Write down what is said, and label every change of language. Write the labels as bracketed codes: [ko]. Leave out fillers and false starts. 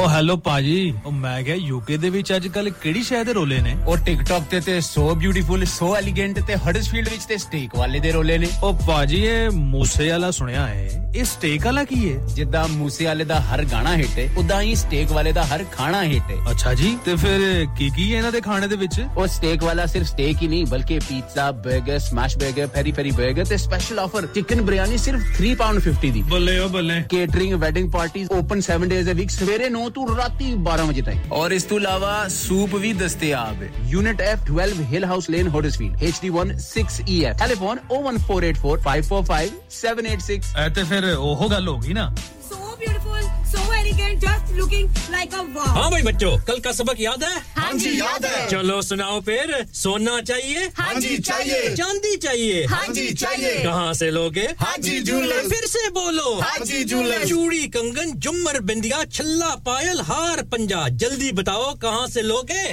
[pa] او حلو پاجی او میں گیا یوکے دے ویچ آج کل کڑی شاید رولے نے او ٹک ٹاک تے تے [en] so beautiful so elegant [pa] تے ہڈس فیلڈ ویچ تے سٹیک والے دے رولے نے او پاجی اے موسے آلا سنیا ہے اس سٹیک آلا کی ہے جدہ موسے آلے دا ہر گانا ہیٹے او دا ہی سٹیک والے دا ہر کھانا ہیٹے اچھا جی تے پھر کی ہے نا دے کھانے دے وچ او سٹیک والا صرف سٹیک ہی نہیں بلکہ پیزا برگر سمیش برگر پھیری پھیری برگر تے سپیشل آفر چکن بریانی صرف £3.50 دی بلے او بلے catering wedding parties [en] open 7 days a week [pa] سویرے 9 تو راتی 12 بجے تائیں اور اس تو علاوہ سوپ بھی دستیاب ہے یونٹ ایف 12 ہل house lane ہڈرسفیلڈ HD16EF tele phone 01484545786 [en] So beautiful, so elegant, just looking like a wow. [hi] हाँ भाई बच्चों, कल का सबक याद है? हाँ जी याद है। चलो सुनाओ फिर, सोना चाहिए? हाँ जी चाहिए। चांदी चाहिए? हाँ जी चाहिए। कहाँ से लोगे? हाँ जी जूलर्स। फिर से बोलो? हाँ जी जूलर्स। चूड़ी, कंगन, जुमर, बिंदिया, छल्ला, पायल, हार, पंजा, जल्दी बताओ कहाँ से लोगे?